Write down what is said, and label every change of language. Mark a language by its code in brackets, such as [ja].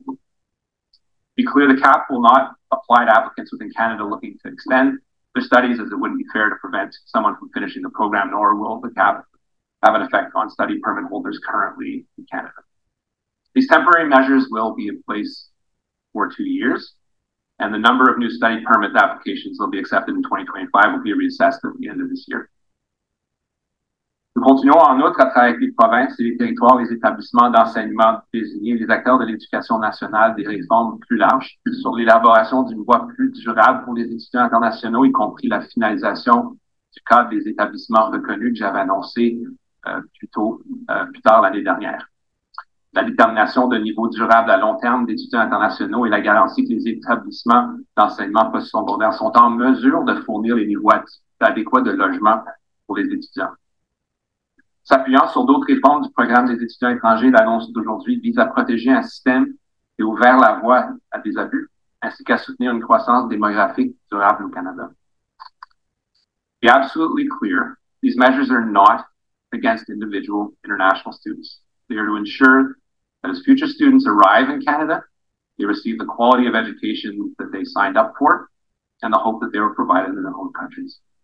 [en] To be clear, the cap will not apply to applicants within Canada looking to extend their studies, as it wouldn't be fair to prevent someone from finishing the program, nor will the cap have an effect on study permit holders currently in Canada. These temporary measures will be in place for 2 years, and the number of new study permit applications that will be accepted in 2025 will be reassessed at the end of this year. [fr] Nous continuons en outre à travailler avec les provinces et les territoires, les établissements d'enseignement désignés, les acteurs de l'éducation nationale, des réformes plus larges sur l'élaboration d'une voie plus durable pour les étudiants internationaux, y compris la finalisation du cadre des établissements reconnus que j'avais annoncé plus tard l'année dernière. La détermination d'un niveau durable à long terme d'étudiants internationaux et la garantie que les établissements d'enseignement post-secondaire sont en mesure de fournir les niveaux adéquats de logement pour les étudiants. S'appuyant sur d'autres réformes du programme des étudiants étrangers, l'annonce d'aujourd'hui vise à protéger un système qui a ouvert la voie à des abus, ainsi qu'à soutenir une croissance démographique durable au Canada. [en] Be absolutely clear, these measures are not against individual international students. They are to ensure that as future students arrive in Canada, they receive the quality of education that they signed up for and the hope that they were provided in their home countries.